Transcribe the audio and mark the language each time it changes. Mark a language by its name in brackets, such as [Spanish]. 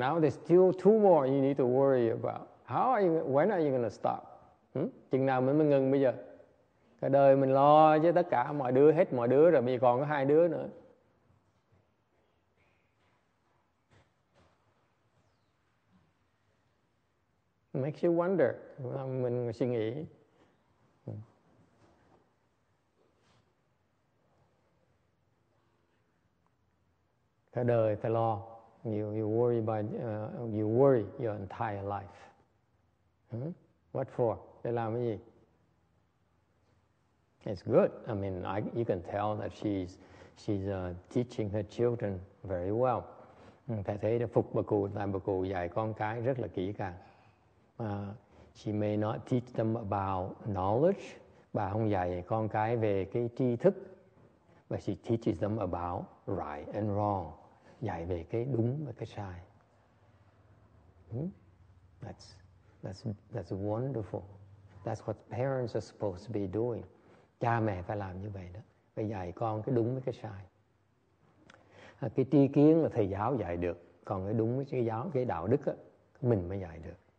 [English] Now there's still two more you need to worry about. When are you gonna stop? [Vietnamese] Chừng nào mình mới ngừng bây giờ? Cả đời mình lo cho tất cả mọi đứa, hết mọi đứa rồi, bây giờ còn có hai đứa nữa. [English] Makes you wonder. [Vietnamese] Mình suy nghĩ. Cả đời phải lo. [English] You worry your entire life. What for? [Vietnamese] Để làm cái gì? [English] It's good. I mean, you can tell that she's teaching her children very well. [Vietnamese] Thầy thấy là phục bà cụ, tại bà cụ dạy con cái rất là kỹ càng. [English] She may not teach them about knowledge. [Vietnamese] Bà không dạy con cái về cái tri thức. [English] But she teaches them about right and wrong. [Vietnamese] Dạy về cái đúng và cái sai. [English] That's wonderful. That's what parents are supposed to be doing. [Vietnamese] Cha mẹ phải làm như vậy đó. Phải dạy con cái đúng với cái sai. Cái tri kiến là thầy giáo dạy được. Còn cái đúng với cái giáo, cái đạo đức đó, mình mới dạy được.